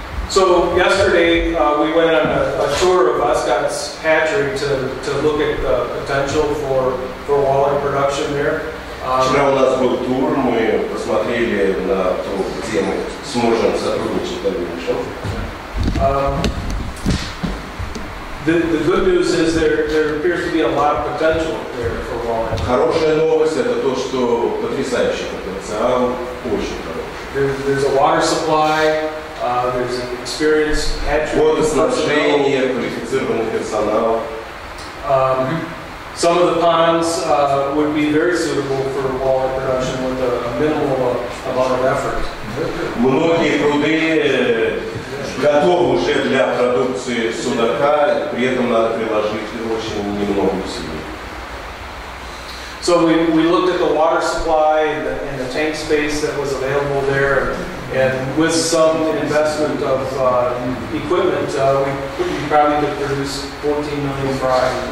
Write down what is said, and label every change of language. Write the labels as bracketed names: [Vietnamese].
[English] So yesterday we went on a tour of Oscott's hatchery to look at the potential for walleye production there. [Russian] Вчера у нас был тур, мы посмотрели на то, где мы сможем сотрудничать дальше. [English] The good news is there appears to be a lot of potential there for walleye. [Russian] Хорошая новость это то, что потрясающий потенциал, очень хороший. [English] There's a water supply, there's an experienced hatchery. [Russian] Водоснабжение, квалифицированный персонал. [English] Some of the ponds would be very suitable for walleye production with a minimal amount of effort. [Russian] Многие пруды готовы уже для продукции судака, при этом надо приложить очень немного усилий. [English] So we looked at the water supply and the tank space that was available there, and with some investment of equipment, we probably could produce 14 million fry.